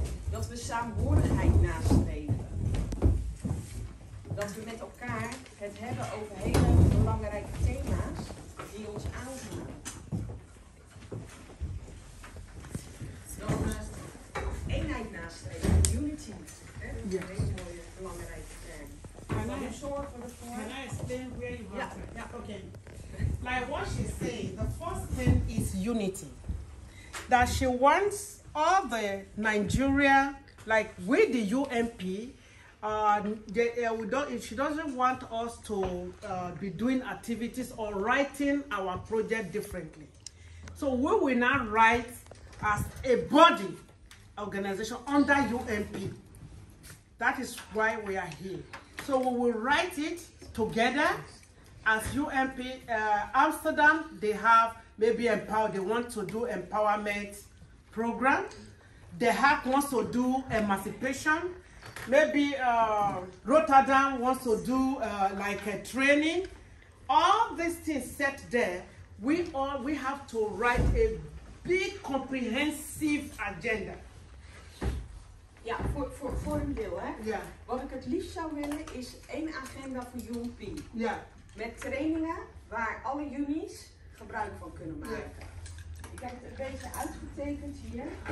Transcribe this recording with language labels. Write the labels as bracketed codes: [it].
[nl] Dat we saamhorigheid nastreven. Dat we met elkaar het hebben over hele belangrijke thema's die ons aangaan. Dan eenheid nastreven, unity. Dat is een mooie belangrijke term. Maar dan zorgen we ervoor. [en] Can I explain where you want to? Ja, oké. Like what she said, the first thing is unity. That she wants all the Nigeria, like with the UNP, she doesn't want us to be doing activities or writing our project differently. So we will now write as a body organization under UNP. That is why we are here. So we will write it together. As UNP Amsterdam, they have maybe they want to do empowerment program. The Hague wants to do emancipation. Maybe Rotterdam wants to do like a training. All these things set there, we have to write a big comprehensive agenda. [nl] Ja, voor een deel, hè? Ja. Wat ik het liefst zou willen is één agenda voor UNP. Ja. Met trainingen waar alle unies gebruik van kunnen maken. Ja. kijk het een beetje uitgetekend hier.